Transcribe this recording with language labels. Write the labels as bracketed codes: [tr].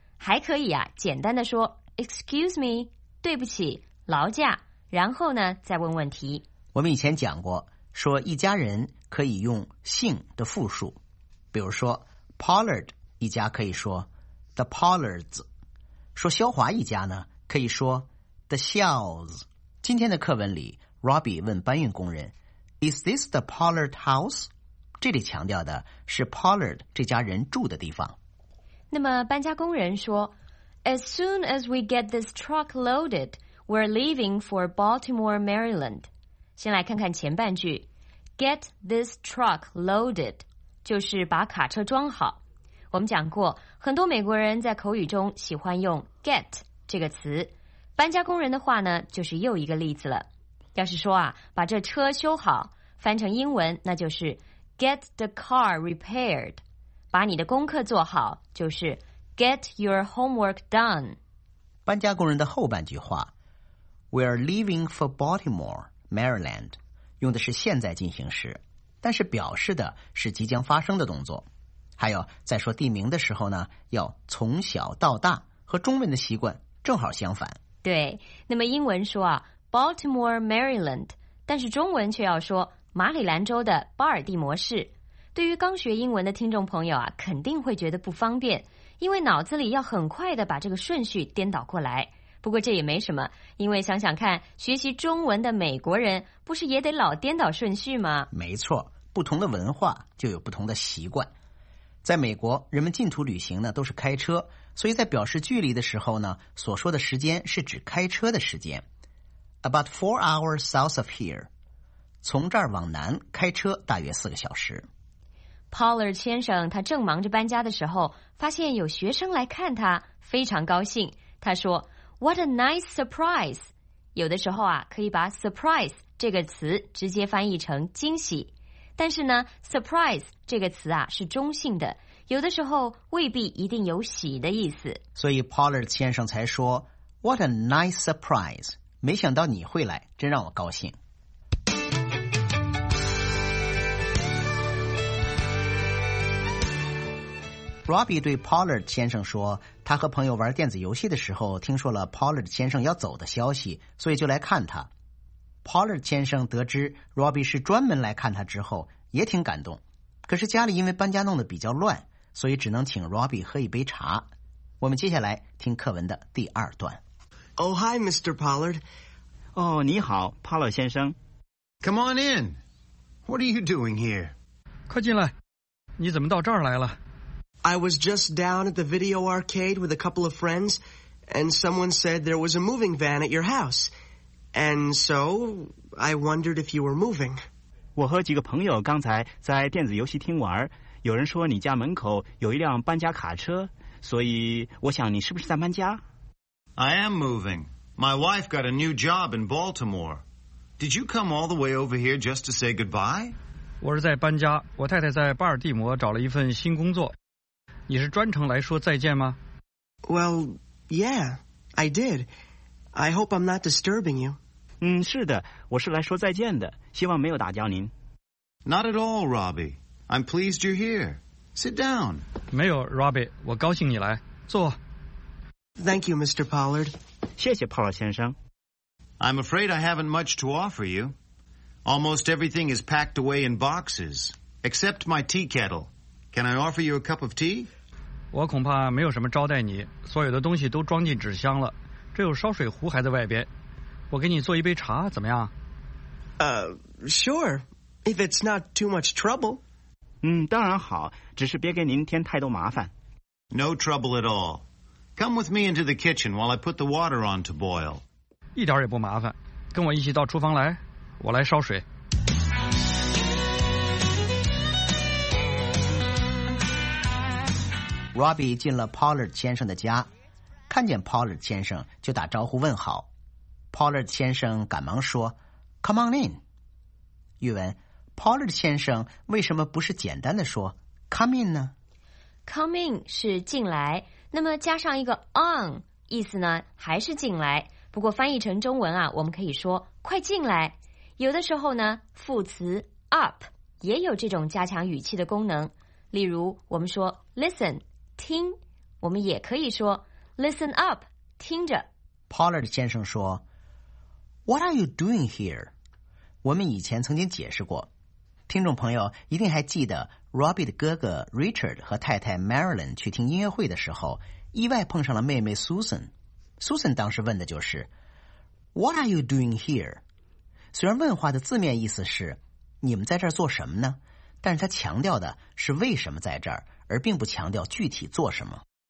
[zh] 还可以啊简单的说 [en] Excuse me， [zh] 对不起，劳驾，然后呢再问问题。我们以前讲过说一家人可以用姓的复数，比如说 Pollard 一家可以说 The Pollards， 说肖华一家呢可以说 The Shells。今天的课文里 Robbie 问搬运工人 [en] Is this the Pollard house？ [zh] 这里强调的是 Pollard 这家人住的地方。那么搬家工人说 [en] As soon as we get this truck loaded, we're leaving for Baltimore, Maryland。 [zh] 先来看看前半句， [en] Get this truck loaded， [zh] 就是把卡车装好。我们讲过，很多美国人在口语中喜欢用 get 这个词。搬家工人的话呢，就是又一个例子了。要是说啊，把这车修好，翻成英文，那就是 [en] get the car repaired。 [zh] 把你的功课做好，就是 [en] get your homework done。 [zh] 搬家工人的后半句话 [en] ，We are leaving for Baltimore, Maryland。 [zh] 用的是现在进行时，但是表示的是即将发生的动作。还有在说地名的时候呢，要从小到大，和中文的习惯正好相反。对，那么英文说啊 Baltimore, Maryland， 但是中文却要说马里兰州的巴尔的摩市。对于刚学英文的听众朋友啊，肯定会觉得不方便，因为脑子里要很快的把这个顺序颠倒过来。不过这也没什么，因为想想看，学习中文的美国人不是也得老颠倒顺序吗？没错，不同的文化就有不同的习惯。在美国，人们近途旅行呢都是开车，所以在表示距离的时候呢，所说的时间是指开车的时间。 [en] About 4 hours south of here， [zh] 从这儿往南开车大约4个小时。 Pollard 先生他正忙着搬家的时候，发现有学生来看他，非常高兴。他说 [en] What a nice surprise! [zh] 有的时候啊，可以把 surprise 这个词直接翻译成惊喜。但是呢 ，surprise 这个词啊是中性的，有的时候未必一定有喜的意思。所以 Pollard 先生才说 [en] What a nice surprise! [zh] 没想到你会来，真让我高兴。 Robbie 对 Pollard 先生说，他和朋友玩电子游戏的时候听说了 Pollard 先生要走的消息，所以就来看他。 Pollard 先生得知 Robbie 是专门来看他之后也挺感动，可是家里因为搬家弄得比较乱，所以只能请 Robbie 喝一杯茶。我们接下来听课文的第二段。 [en] Oh hi Mr. Pollard。 [zh] Oh 你好 Pollard 先生。 [en] Come on in。 What are you doing here？ [zh] 快进来，你怎么到这儿来了？ [en] I was just down at the video arcade with a couple of friends, and someone said there was a moving van at your house. And so, I wondered if you were moving. [zh] 我和几个朋友刚才在电子游戏厅玩，有人说你家门口有一辆搬家卡车，所以我想你是不是在搬家？ [en] I am moving. My wife got a new job in Baltimore. Did you come all the way over here just to say goodbye? [zh] 我是在搬家，我太太在巴尔的摩找了一份新工作。你是专程来说再见吗？ [en] Well, yeah, I did. I hope I'm not disturbing you. [zh] 嗯，是的，我是来说再见的，希望没有打搅您。 [en] Not at all, Robbie. I'm pleased you're here. Sit down. [zh] 没有 ，Robbie， 我高兴你来，坐。 [en] Thank you, Mr. Pollard. [zh] 谢谢 Pollard 先生。 [en] I'm afraid I haven't much to offer you. Almost everything is packed away in boxes, except my tea kettle. Can I offer you a cup of tea? [zh] 我恐怕没有什么招待你，所有的东西都装进纸箱了，只有烧水壶还在外边。我给你做一杯茶，怎么样？ [en] Sure, if it's not too much trouble. [zh] 嗯，当然好，只是别给您添太多麻烦。 [en] No trouble at all. Come with me into the kitchen while I put the water on to boil. [zh] 一点也不麻烦，跟我一起到厨房来，我来烧水。 Robbie 进了 Pollard 先生的家，看见 Pollard 先生就打招呼问好。 Pollard 先生赶忙说 ： [en] “Come on in。” [zh] 语文 ：Pollard 先生为什么不是简单的说 [en] “Come in” [zh] 呢？ [en] “Come in” [zh] 是进来，那么加上一个 “on”， 意思呢还是进来。不过翻译成中文啊，我们可以说快进来。有的时候呢，副词 up 也有这种加强语气的功能。例如我们说 listen 听，我们也可以说 listen up 听着。 [en] Pollard [zh] 先生说 [en] What are you doing here? [zh] 我们以前曾经解释过，听众朋友一定还记得 Robbie 的哥哥 Richard 和太太 Marilyn 去听音乐会的时候，意外碰上了妹妹 SusanSusan 当时问的就是 [en] What are you doing here? [zh] 虽然问话的字面意思是你们在这儿做什么呢，但是他强调的是为什么在这儿，而并不强调具体做什么。